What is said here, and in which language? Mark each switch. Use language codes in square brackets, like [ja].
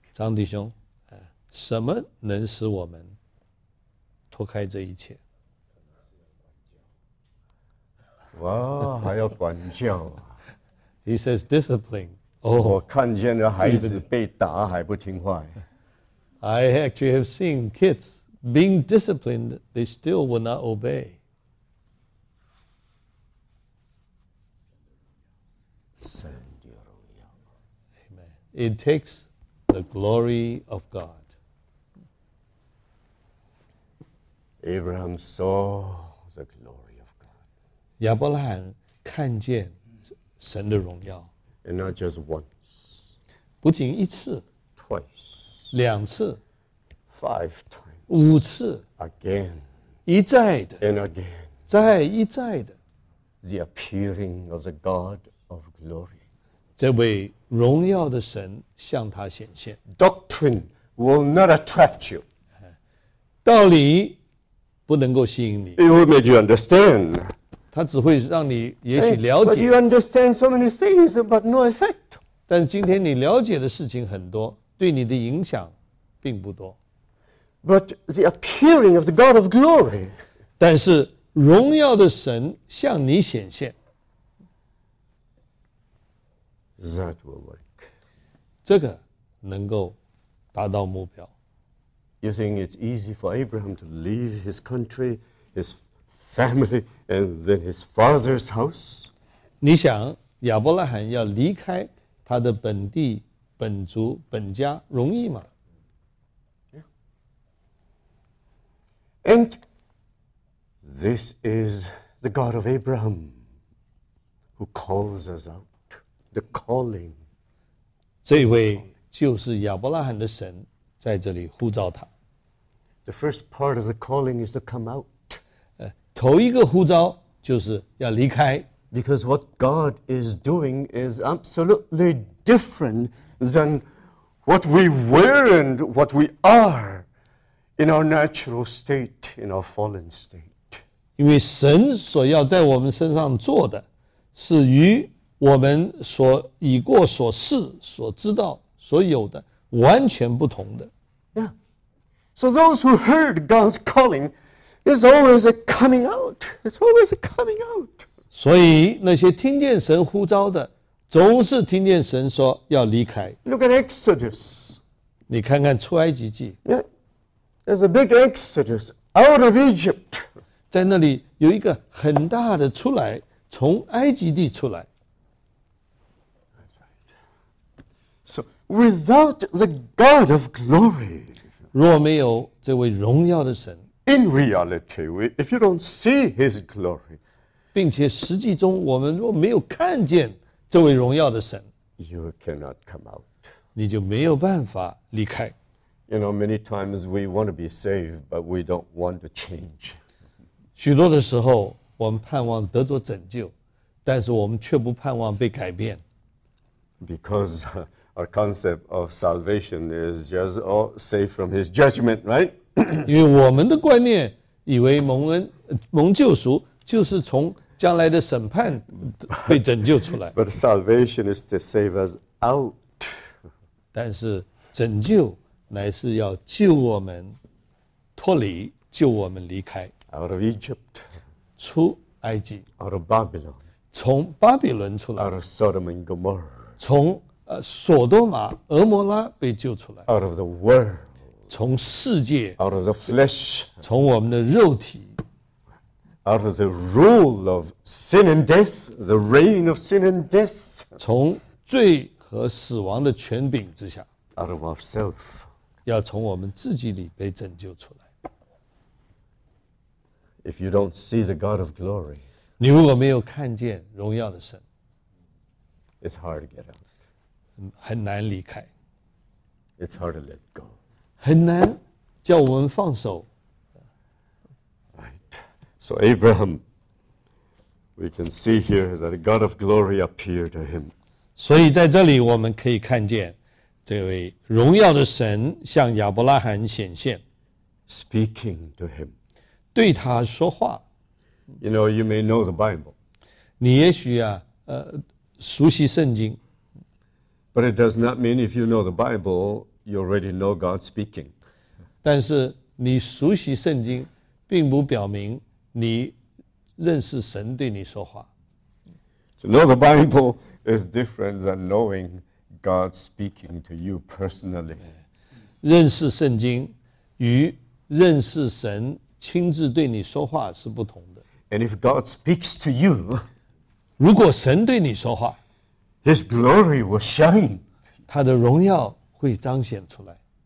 [zh] 张弟兄，什么能使我们脱开这一切。哇，还要管教啊。 [en] He says discipline. [zh] 我看见了孩子被打还不听话。 [en] I actually have seen kids being disciplined, they still will not obey. Send your young. Amen. It takes the glory of God. Abraham saw the glory of God. [zh] 亚伯拉罕看见神的荣耀。 [en] And not just once. [zh] 不仅一次。 [en] Twice. [zh] 两次。 [en] Five times. [zh] 五次。 [en] Again. [zh] 一再的。 [en] And again. [zh] 再一再的。 [en] The appearing of the God of glory. [zh] 这位荣耀的神向他显现。 [en] Doctrine will not attract you. [zh] 道理不能够吸引你。 [en] It will make you understand. [zh] 它只会让你也许了解。 [en] Hey, but you understand so many things, but no effect. [zh] 但今天你了解的事情很多，对你的影响并不多。 [en] But the appearing of the God of glory. [zh] 但是荣耀的神向你显现。 [en] That will work. [zh] 这个能够达到目标。 [en] You think it's easy for Abraham to leave his country, his family, and then his father's house? [zh] 你想亚伯拉罕要离开他的本地、本族、本家容易吗？ [en] Yeah. And this is the God of Abraham who calls us out. The calling. [zh] 这位就是亚伯拉罕的神在这里呼召他。 [en] The first part of the calling is to come out. [zh] 头一个呼召就是要离开。 [en] Because what God is doing is absolutely different than what we were and what we are in our natural state, in our fallen state. [zh] 因为神所要在我们身上做的是与我们所已过所事所知道所有的完全不同的。 [en] Yeah. So those who heard God's calling, is always a coming out. It's always a coming out. [zh] 所以那些听见神呼召的，总是听见神说要离开。 [en] Look at Exodus. [zh] 你看看出埃及记。 [en] Yeah, there's a big Exodus out of Egypt. [zh] 在那里有一个很大的出来，从埃及地出来。 [en] So without the God of glory. [zh] 若没有这位荣耀的神 [en] ，In reality, if you don't see His glory, [zh] 并且实际中我们若没有看见这位荣耀的神， [en] you cannot come out. [zh] 你就没有办法离开。 [en] You know, many times we want to be saved, but we don't want to change. [zh] 许多的时候，我们盼望得着拯救，但是我们却不盼望被改变。 [en] Because our concept of salvation is just all saved from His judgment, right? [zh] 因为我们的观念以为蒙恩蒙救赎就是从将来的审判被拯救出来。 [en] But salvation is to save us out. [zh] 但是拯救乃是要救我们脱离，救我们离开。 [en] Out of Egypt. [zh] 出埃及。 [en] Out of Babylon. [zh] 从巴比伦出来。 [en] Out of Sodom and Gomorrah. [zh] 从索多玛、俄摩拉被救出来。 [en] Out of the world. [zh] 从世界。 [en] Out of the flesh. [zh] 从我们的肉体。 [en] Out of the rule of sin and death, the reign of sin and death. [zh] 从罪和死亡的权柄之下。 [en] Out of ourself. [zh] 要从我们自己里被拯救出来。 [en] If you don't see the God of glory, [zh] 你如果没有看见荣耀的神， [en] it's hard to get out. [zh] 很难离开。 [en] It's hard to let go. [zh] 很难叫我们放手。 [en] So Abraham, we can see here that the God of glory appeared to him. [zh] 所以在这里我们可以看见这位荣耀的神向亚伯拉罕显现。 [en] Speaking to him. [zh] 对他说话。 [en] You know, you may know the Bible. [zh] 你也许啊，熟悉圣经。 [en] But it does not mean if you know the Bible, you already know God speaking. [zh] 但是你熟悉圣经并不表明你认识神对你说话。 [en] To know the Bible is different than knowing God speaking to you personally. [zh] 认识圣经与认识神亲自对你说话是不同的。 [en] And if God speaks to you, [zh] 如果神对你说话， [en] His glory will shine. [zh] 他的荣耀会彰显出来。